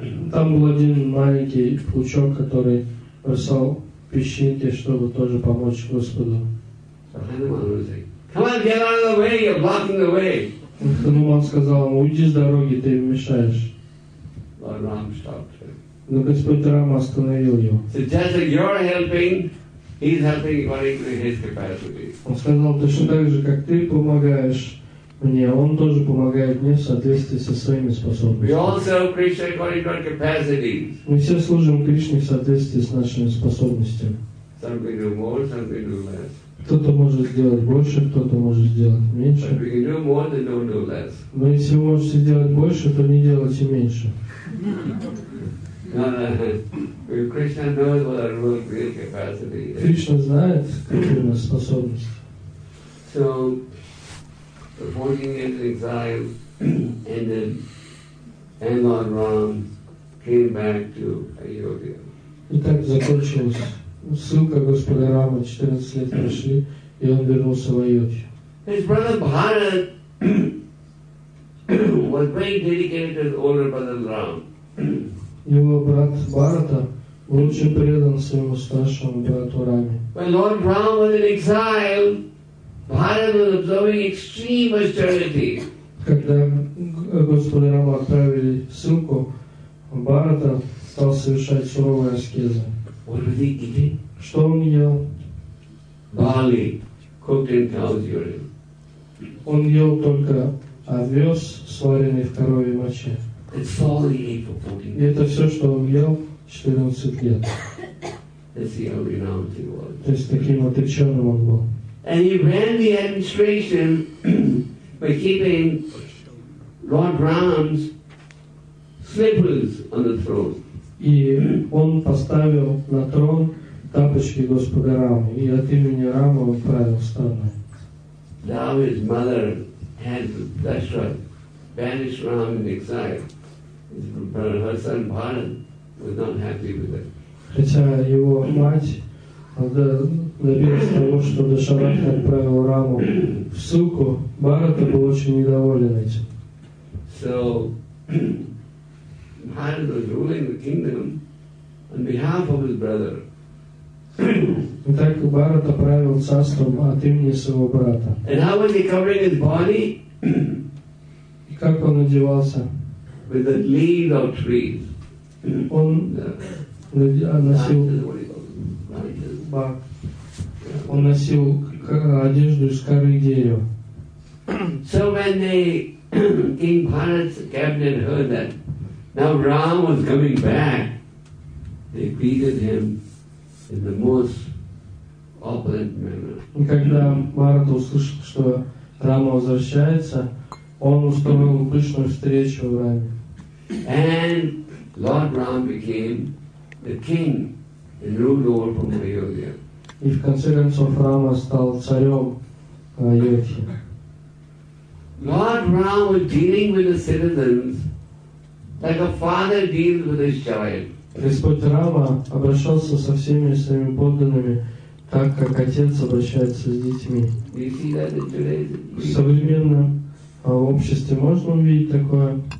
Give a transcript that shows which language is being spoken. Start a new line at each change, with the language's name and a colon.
Russian: Там был один маленький пучок, который бросал песчинки, чтобы тоже помочь Господу.
English: Come on, get out of the way, you're blocking the way.
Russian: Хануман сказал ему, уйди с дороги, ты мешаешь.
English: Lord Ram's doctrine. So just like you're helping, he's helping according to his capacity.
Russian: Он сказал точно так же, как ты помогаешь мне, он тоже помогает мне в соответствии со своими способностями.
English: We all serve Krishna according to our capacities.
Russian: Мы все служим Кришне в соответствии с нашими способностями.
English: Some can do more, some can do less.
Russian: Кто-то может сделать больше, кто-то может сделать меньше.
English: But we can do more than don't do less.
Russian: Но если вы можете делать больше, то не делайте меньше.
English: Krishna knows what our real capacity is.
Russian: Krishna знает, какие у нас способности.
English: So, the 14 years in exile ended, and Lord Ram came back to Ayodhya.
Russian: И так закончилась ссылка Господа Рамы, 14 лет прошли, и он вернулся в Айодхи.
English: His brother Bharat was very dedicated to his older brother Ram.
Russian: Его брат Бхарата был очень предан своему старшему брату Раме.
English: When Lord Ram was in exile, Bharat was observing extreme austerity.
Russian: Когда Господа Рама отправили ссылку, Бхарата стал совершать суровые аскезы.
English: What was he eating?
Russian: Что он ел?
English: Barley, cooked in cow's urine.
Russian: Он ел только овес, сваренный в коровьей моче.
English: It's all he ate for 14 years.
Russian: Это все, что он ел 14 лет.
English: That's how renowned he was.
Russian: То есть таким отреченным он был.
English: And he ran the administration by keeping Lord Ram's slippers on the throne.
Russian: И он поставил на трон тапочки Господа Рамы. И от имени Рамы он правил страной.
English: Now his mother had banished Ram in exile. Her son Bharat was not happy with it.
Russian: Хотя его мать добилась того, что Дашарат отправил Раму в ссылку, Бхарата был очень недоволен этим.
English: So Bharat was ruling the kingdom on behalf of his brother.
Russian: Итак, Бхарата правил царством от имени своего брата.
English: And how was he covering his body?
Russian: И как он одевался?
English: With the leaves of trees.
Russian: Он носил одежду из коры дерева.
English: So when the King Bharat's cabinet heard that now Ram was coming back, they greeted him in the most opulent manner.
Russian: И когда Бхарата услышал, что Рама возвращается, он устроил пышную встречу в Раме.
English: And Lord Ram became the king and ruled over from Ayodhya.
Russian: И в конце концов Рама стал царем Айодхи.
English: Lord Ram was dealing with the citizens like a father deals with his child.
Russian: Господь Рама обращался со всеми своими подданными так, как отец обращается с детьми.
English: Do you see that in today's
Russian: В современном обществе можно увидеть такое?